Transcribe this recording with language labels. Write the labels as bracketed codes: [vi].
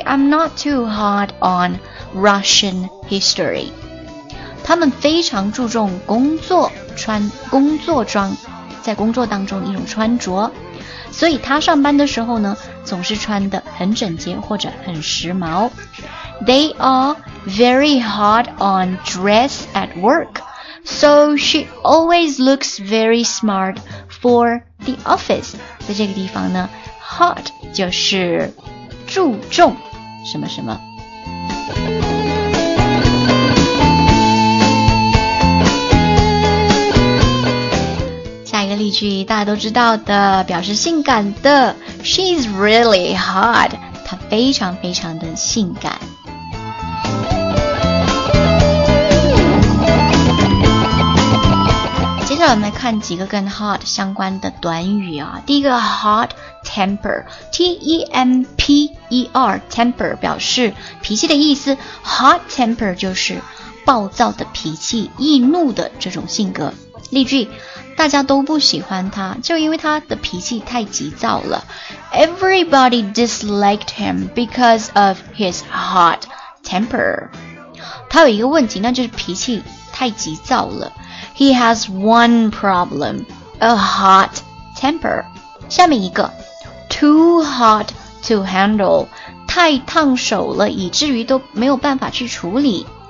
[en] I'm not too hot on Russian history. [zh] 他们非常注重工作，穿工作装，在工作当中一种穿着，所以他上班的时候呢总是穿得很整洁或者很时髦。 [en] They are very hard on dress at work, so she always looks very smart for the office. [zh] 在这个地方呢 hard 就是注重什么什么。例句大家都知道的，表示性感的。 [en] She's really hot. [zh] 她非常非常的性感。接下来我们来看几个跟 hot 相关的短语啊。第一个 hot temper， T-E-M-P-E-R， temper 表示脾气的意思。 hot temper 就是暴躁的脾气，易怒的这种性格。例句，大家都不喜欢他，就因为他的脾气太急躁了。 [en] Everybody disliked him because of his hot temper. [zh] 他有一个问题，那就是脾气太急躁了。 [en] He has one problem, a hot temper. [zh] 下面一个 ,too hot to handle, 太烫手了，以至于都没有办法去处理。